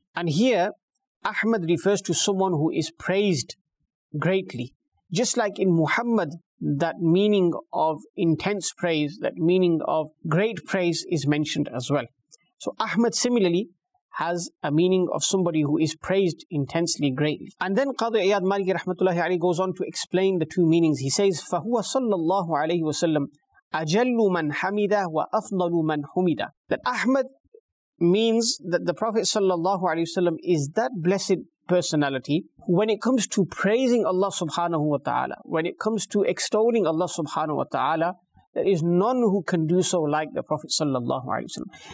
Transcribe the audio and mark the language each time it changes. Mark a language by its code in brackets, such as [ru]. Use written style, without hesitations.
[en] And here, Ahmad refers to someone who is praised greatly. Just like in Muhammad, that meaning of intense praise, that meaning of great praise is mentioned as well. So Ahmad similarly has a meaning of somebody who is praised intensely, greatly. And then Qadi Iyad Maliki rahmatullahi alayhi goes on to explain the two meanings. He says, [ar] فَهُوَ صَلَّى اللَّهُ عَلَيْهِ وَسَلَّمْ أَجَلُّ مَنْ حَمِدَ وَأَفْضَلُ مَنْ حُمِدَ. [en] That Ahmad means that the Prophet sallallahu alayhi wasallam is that blessed personality who, when it comes to praising Allah subhanahu wa ta'ala, when it comes to extolling Allah subhanahu wa ta'ala, there is none who can do so like the Prophet sallallahu alayhi wasallam.